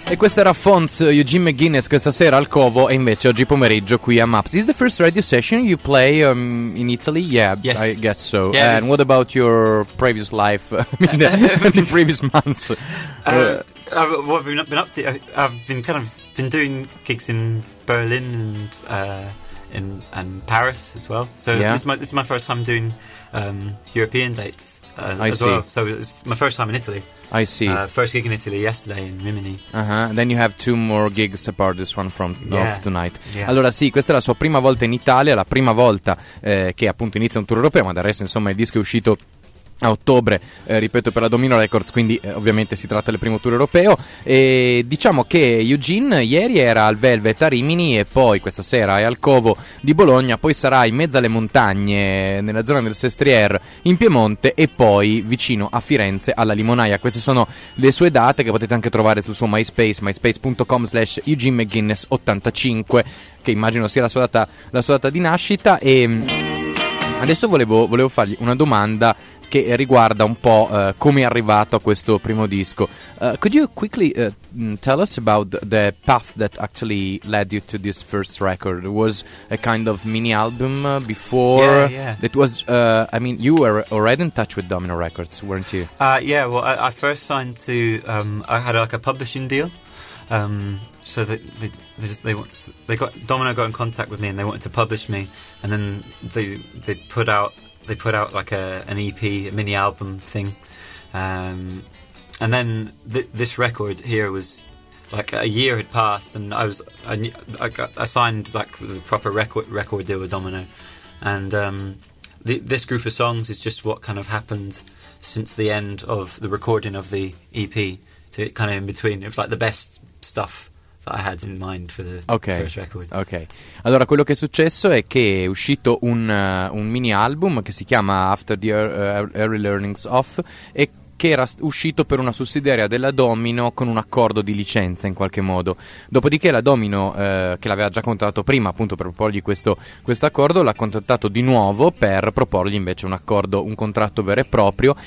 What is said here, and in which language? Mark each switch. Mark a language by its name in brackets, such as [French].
[Italian] E questo era Fonz, Eugene McGuinness, questa sera al Covo, e invece oggi pomeriggio qui a MAPS. [English] Is the first radio session you play in Italy? Yeah, yes. I guess so. Yes. And what about your previous life, the previous months? What have you been up to? I've been doing gigs in Berlin and Paris as well. So yeah. this is my first time doing European dates well. So it's my first time in Italy. I see. First gig in Italy yesterday in Rimini. Uh-huh. Then you have two more gigs apart this one from tonight. Yeah. [Italian] Allora sì, questa è la sua prima volta in Italia, la prima volta che appunto inizia un tour europeo, ma del resto insomma il disco è uscito a ottobre, ripeto, per la Domino Records, quindi ovviamente si tratta del primo tour europeo. E diciamo che Eugene ieri era al Velvet a Rimini e poi questa sera è al Covo di Bologna, poi sarà in mezzo alle montagne nella zona del Sestrier in Piemonte e poi vicino a Firenze alla Limonaia. Queste sono le sue date, che potete anche trovare sul suo MySpace, myspace.com/EugeneMcGuinness85, che immagino sia la sua data di nascita. E adesso volevo fargli una domanda che riguarda un po' come è arrivato a questo primo disco. [English] Could you quickly tell us about the path that actually led you to this first record? It was a kind of mini album before. Yeah. It was, I mean, you were already in touch with Domino Records, weren't you? Well, I first signed to, I had like a publishing deal. So Domino got in contact with me and they wanted to publish me, and then they put out like an EP, a mini album thing, and then this record here was like a year had passed, and I signed like the proper record deal with Domino, and this group of songs is just what kind of happened since the end of the recording of the EP to kind of in between. It was like the best stuff I had in mind for the first record. Okay. [Italian] Allora, quello che è successo è che è uscito un mini album che si chiama After the Early Learnings Off, e che era uscito per una sussidiaria della Domino con un accordo di licenza in qualche modo. Dopodiché la Domino, che l'aveva già contattato prima appunto per proporgli questo accordo, l'ha contattato di nuovo per proporgli invece un accordo, un contratto vero e proprio.